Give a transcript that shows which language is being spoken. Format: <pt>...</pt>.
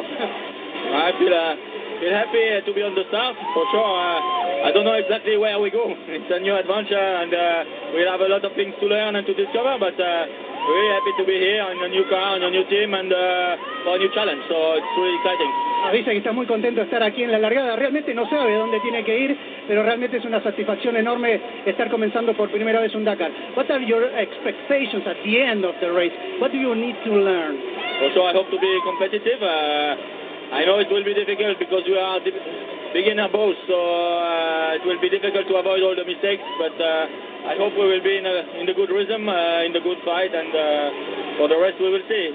<en>I feel happy to be on the staff, for sure. I don't know exactly where we go. It's a new adventure, and we'll have a lot of things to learn and to discover, but really happy to be here on a new car, on a new team, and for a new challenge, so it's really exciting.</en> <es>Dice que está muy contento de estar aquí en la largada. Realmente no sabe dónde tiene que ir, pero realmente es una satisfacción enorme estar comenzando por primera vez un Dakar.</es> <en>What are your expectations at the end of the race? What do you need to learn? Also, I hope to be competitive. I know it will be difficult because we are beginner both, so it will be difficult to avoid all the mistakes, but I hope we will be in a good rhythm, in the good fight, and for the rest we will see.</en>